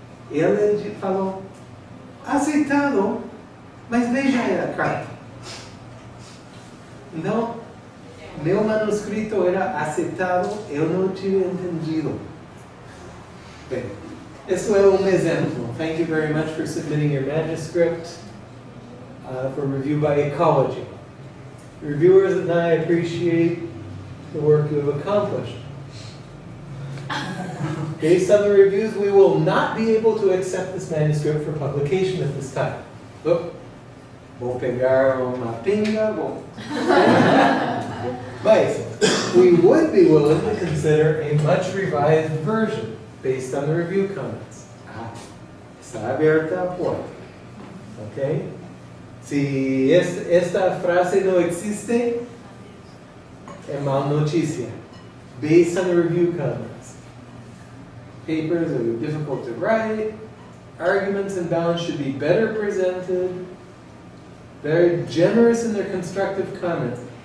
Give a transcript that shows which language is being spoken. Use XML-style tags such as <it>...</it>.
<pt>Ele falou, aceitado, mas veja a carta. Então, meu manuscrito era aceitado, eu não tinha entendido. Bem, isso é um exemplo.</pt> <en>Thank you very much for submitting your manuscript for review by Ecology. Reviewers and I appreciate the work you have accomplished. Based on the reviews, we will not be able to accept this manuscript for publication at this time.</en> <pt>Look, vou pegar uma pinga, vou...</pt> <en>But we would be willing to consider a much revised version based on the review comments.</en> <pt>Ah, está aberta a porta. Ok? Se esta frase não existe, é mal notícia.</pt> <en>Based on the review comments. Papers are difficult to write. Arguments and balance should be better presented. Very generous in their constructive comments.</en>